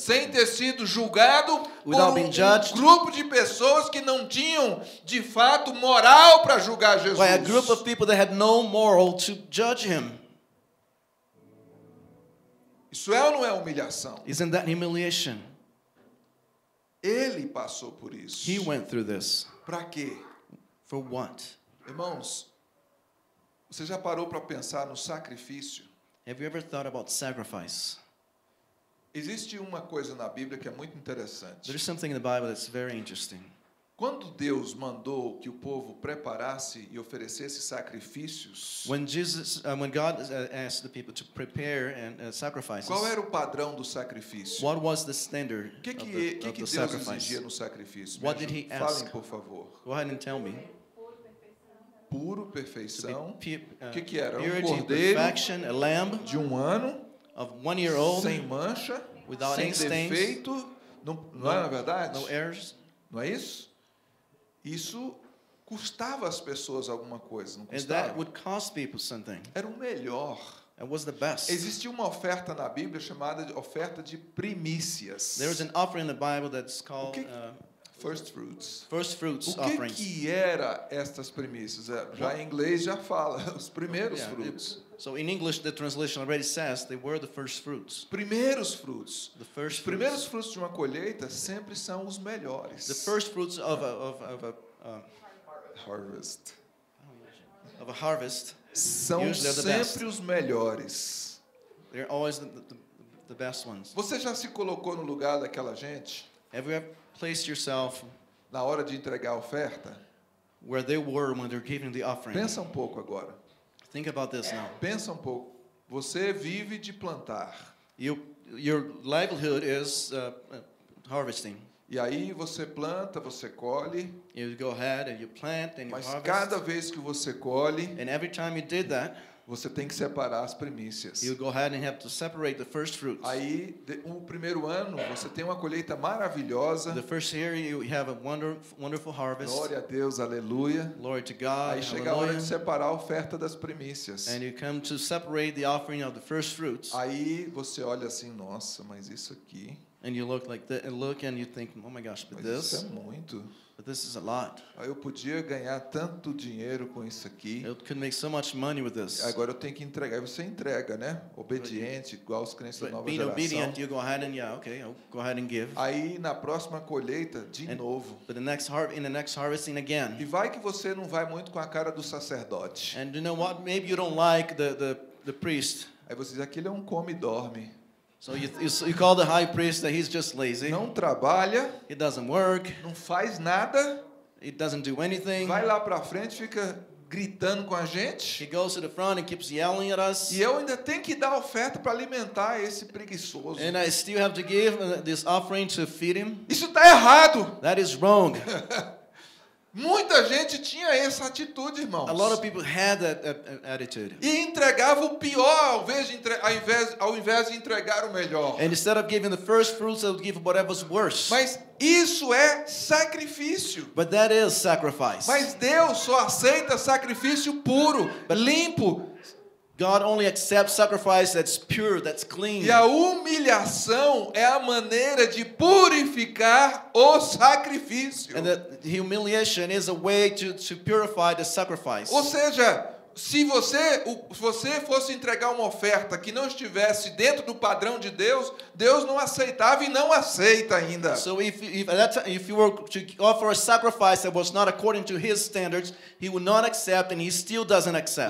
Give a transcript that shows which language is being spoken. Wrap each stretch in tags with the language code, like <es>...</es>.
<pt>sem ter sido julgado,</pt> <en>without</en> <pt>por</pt> <en>being judged,</en> <pt>um grupo de pessoas que não tinham de fato moral para julgar Jesus,</pt> <en>by a group of people that had no moral to judge him.</en> <pt>Isso é ou não é humilhação?</pt> <en>Isn't that humiliation?</en> <pt>Ele passou por isso.</pt> <en>He went through this.</en> <pt>Para quê?</pt> <en>For what?</en> <pt>Irmãos, você já parou para pensar no sacrifício?</pt> <en>Have you ever thought about sacrifice?</en> <pt>Existe uma coisa na Bíblia que é muito interessante.</pt> <en>There is something in the Bible that's very interesting.</en> <pt>Quando Deus mandou que o povo preparasse e oferecesse sacrifícios,</pt> <en>when God asked the people to prepare and sacrifices,</en> <pt>qual era o padrão do sacrifício?</pt> <en>What was the standard</en> <pt>que</pt> <en>of the sacrifice?</en> <pt>O que Deus</pt> <en>sacrifice?</en> <pt>Exigia no sacrifício?</pt> <en>What did he ask?</en> <pt>Falem, por favor.</pt> <en>Go ahead and tell me.</en> <pt>Puro perfeição. O que era?</pt> <en>Purity,</en> <pt>um cordeiro,</pt> <en>perfection, a lamb,</en> <pt>de um ano,</pt> <en>of 1 year old,</en> <pt>sem mancha,</pt> <en>without</en> <pt>sem</pt> <en>any stains,</en> <pt>defeito, não é na verdade?</pt> <en>No errors.</en> <pt>Não é isso? Isso custava as pessoas alguma coisa, não custava?</pt> <en>And that would cost people something.</en> <pt>Era o melhor.</pt> <en>It was the best.</en> <pt>Existia uma oferta na Bíblia chamada de oferta de primícias.</pt> <en>There is an offering in the Bible that's called first fruits. First fruits offering.</en> <pt>O que era estas primícias? Já em inglês já fala os primeiros frutos.</pt> <en>So in English the translation already says they were the first fruits.</en> <pt>Primeiros frutos.</pt> <en>The first fruits.</en> <pt>Os primeiros frutos de uma colheita sempre são os melhores.</pt> <en>The first fruits of a harvest. Of a harvest.</en> <pt>São sempre os melhores.</pt> <en>They're always the best ones.</en> <pt>Você já se colocou no lugar daquela gente?</pt> <en>Have you ever placed yourself</en> <pt>na hora de entregar a oferta?</pt> <en>Where they were when they're giving the offering.</en> <pt>Pensa um pouco agora.</pt> <en>Think about this now.</en> <pt>Pensa um pouco. Você vive de plantar.</pt> <en>Your livelihood is harvesting.</en> <pt>E aí você planta, você colhe.</pt> <en>You go ahead and you plant and you</en> <pt>mas</pt> <en>harvest.</en> <pt>Cada vez que você colhe,</pt> <en>and every time you did that,</en> <pt>Você tem que separar as primícias.</pt> <en>You go ahead and have to separate the first fruits.</en> <pt>Aí, o primeiro ano, você tem uma colheita maravilhosa.</pt> <en>The first year you have a wonderful harvest.</en> <pt>Glória a Deus, aleluia.</pt> <en>Glory to God.</en> <pt>Aí chega a hora de separar a oferta das primícias.</pt> <en>And you come to separate the offering of the first fruits.</en> <pt>Aí você olha assim, nossa, mas isso aqui.</pt> <en>And you look like that, and look and you think, oh my gosh, but</en> <pt>mas</pt> <en>this.</en> <pt>Isso é muito.</pt> <en>But this is a lot.</en> <pt>Eu podia ganhar tanto dinheiro com isso aqui.</pt> <en>You could make so much money with this.</en> <pt>Agora eu tenho que entregar. Você entrega, né? Obediente, igual os crentes da nova geração.</pt> <en>Being obedient, you go ahead and yeah, okay, I'll go ahead and give.</en> <pt>Aí na próxima colheita, de novo.</pt> <en>But in the next harvesting again.</en> <pt>E vai que você não vai muito com a cara do sacerdote.</pt> <en>And you know what? Maybe you don't like the priest.</en> <pt>Aí você diz, aquele é um come e dorme.</pt> <en>So you call the high priest that he's just lazy.</en> <pt>Não trabalha.</pt> <en>He doesn't work.</en> <pt>Não faz nada.</pt> <en>He doesn't do anything.</en> <pt>Vai lá para frente, fica gritando com a gente.</pt> <en>He goes to the front and keeps yelling at us.</en> <pt>E eu ainda tenho que dar oferta para alimentar esse preguiçoso.</pt> <en>And I still have to give this offering to feed him.</en> <pt>Isso tá errado.</pt> <en>That is wrong.</en> <pt>Muita gente tinha essa atitude, irmãos.</pt> <en>A lot of people had that attitude.</en> <pt>E entregava o pior ao invés de entregar o melhor.</pt> <en>And instead of giving the first fruits, they would give whatever's worse.</en> <pt>Mas isso é sacrifício.</pt> <en>But that is sacrifice.</en> <pt>Mas Deus só aceita sacrifício puro, limpo.</pt> <en>God only accepts sacrifice that's pure, that's clean.</en> <pt>E a humilhação é a maneira de purificar o sacrifício.</pt> <en>And the humiliation is a way to purify the sacrifice.</en> <pt>Ou seja, se você fosse entregar uma oferta que não estivesse dentro do padrão de Deus, Deus não aceitava e não aceita ainda.</pt> <en>So if you were to offer a sacrifice that was not according to his standards, he would not accept and he still doesn't accept.</en>